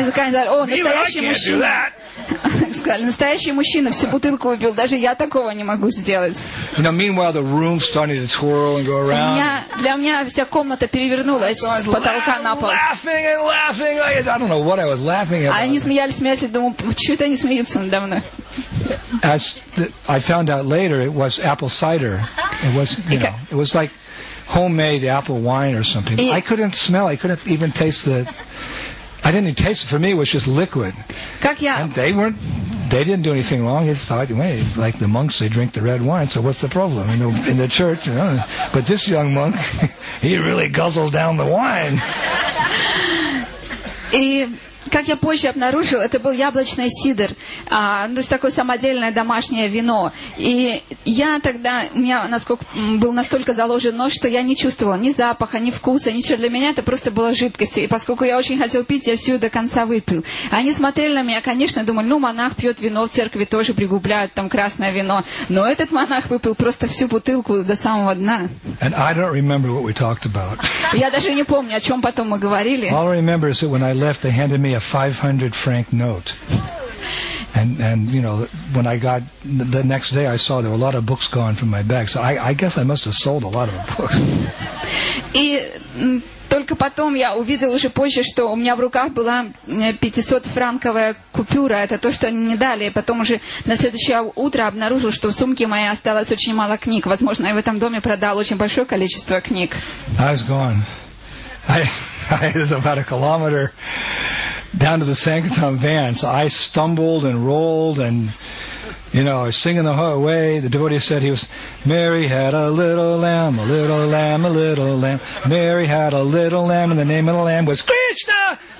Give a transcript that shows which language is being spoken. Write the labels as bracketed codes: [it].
[ru] И сказали, о, настоящий мужчина. Сказали, настоящий мужчина всю бутылку выпил. Даже я такого не могу сделать. [en] Now, meanwhile, the room started to twirl and go around. [ru] Для меня вся комната перевернулась с потолка на пол. [en] Laughing and laughing. I don't know what I was laughing at. [ru] Они смеялись, думаю, что это они смеются надо мной. [en] As I found out later, it was apple cider. It was, you know, it was like homemade apple wine or something. I couldn't smell. I couldn't even taste the. I didn't even taste it. For me, it was just liquid. And they weren't. They didn't do anything wrong. They thought, wait, like the monks, they drink the red wine. So what's the problem in the church? You know? But this young monk, he really guzzles down the wine. [ru] Как я позже обнаружил, это был яблочный сидр, то есть такое самодельное домашнее вино. И я тогда, у меня был настолько заложен нос, что я не чувствовала ни запаха, ни вкуса, ничего. Для меня это просто было жидкость. И поскольку я очень хотел пить, я всю до конца выпил. Они смотрели на меня, конечно, думали, ну, монах пьет вино, в церкви тоже пригубляют там красное вино. Но этот монах выпил просто всю бутылку до самого дна. [en] And I don't remember what we talked about. [ru] Я даже не помню, о чем потом мы говорили. [en] All I remember is that when I left, they handed me a 500 franc note. And you know, when I got the next day, I saw there were a lot of books gone from my bag. So I guess I must have sold a lot of books. [ru] И только потом я увидел уже позже, что у меня в руках была 500-франковая купюра. Это то, что они не дали. И потом уже на следующее утро обнаружил, что в сумке моей осталось очень мало книг. Возможно, я в этом доме продал очень большое количество книг. [en] I was gone. I was about a kilometer down to the Sankirtan van. So I stumbled and rolled and, you know, I was singing the whole way. The devotee said he was, Mary had a little lamb, a little lamb, a little lamb. Mary had a little lamb and the name of the lamb was Krishna.